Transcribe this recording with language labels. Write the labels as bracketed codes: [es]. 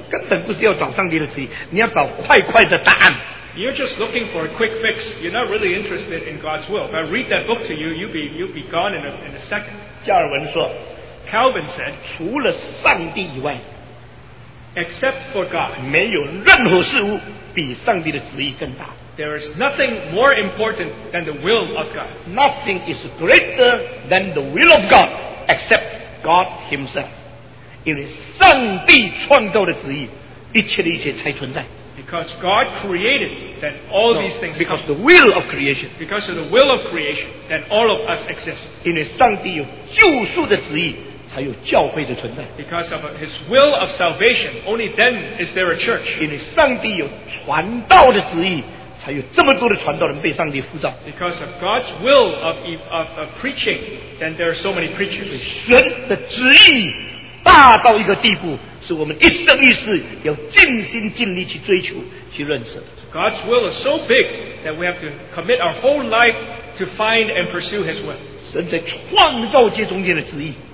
[zh] 如果你问我，我一个字一个念给你听，你还没有读完你就跑掉了。你根本不是要找上帝的旨意，你要找快快的答案。 [en] You're just looking for a quick fix. You're not really interested in God's will. If I read that book to you, you'll be gone in a second. [zh] 加尔文说， [en] Calvin said, [zh] 除了上帝以外， [en] except for God, [zh] 没有任何事物比上帝的旨意更大。 [en] There is nothing more important than the will of God. Nothing is greater than the will of God except God himself. [zh] 因为上帝创造的旨意，一切的一切才存在。 [en] Because God created then all these things because come. The will of creation. Because of the will of creation, then all of us exist. [zh] 因为上帝有救赎的旨意，才有教会的存在。 [en] Because of his will of salvation, only then is there a church. [zh] 因为上帝有传道的旨意，才有这么多的传道人被上帝呼召。 [en] Because of God's will of preaching, then there are so many preachers. [zh] 神的旨意大到一个地步。是我们一生一世要尽心尽力去追求、去认识的。 [en] God's will is so big that we have to commit our whole life to find and pursue His will. [zh] 神在创造界中间的旨意。